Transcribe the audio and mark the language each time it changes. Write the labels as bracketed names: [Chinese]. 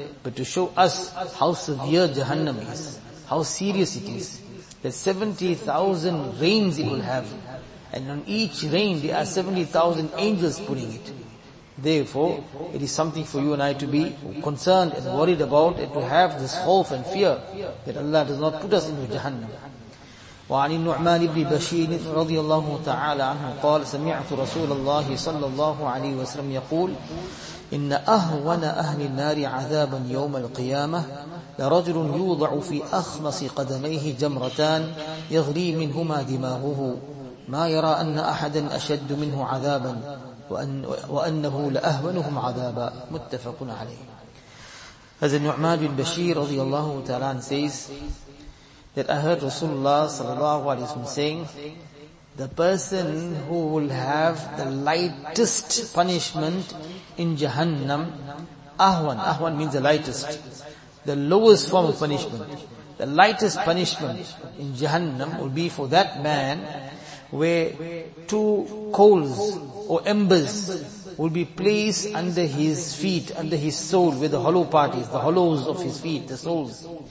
[English] But to show us how severe Jahannam is, how serious it is, that 70,000 rains it will have. And on each rain, there are 70,000 angels putting it. Therefore, it is something for you and I to be concerned and worried about, and to have this hope and fear that Allah does not put us into Jahannam. [Arabic] وعن النعمان بن بشير رضي الله تعالى عنه قال سمعت رسول الله صلى الله عليه وسلم يقول إن أهون أهل النار عذابا يوم القيامة لرجل يوضع في أخمص قدميه جمرتان يغلي منهما دماغه ما يرى أن أحدا أشد منه عذابا وأنه لأهونهم عذابا. متفق عليه. هذا النعمان بن بشير رضي الله تعالى عنه [English] says that I heard Rasulullah sallallahu alayhi wa sallam saying, the person who will have the lightest punishment in Jahannam, ahwan, ahwan means the lightest, the lowest form of punishment, the lightest punishment in Jahannam will be for that man where two coals or embers will be placed under his feet, under his soul, where the hollow part is, the hollows of his feet, the soles.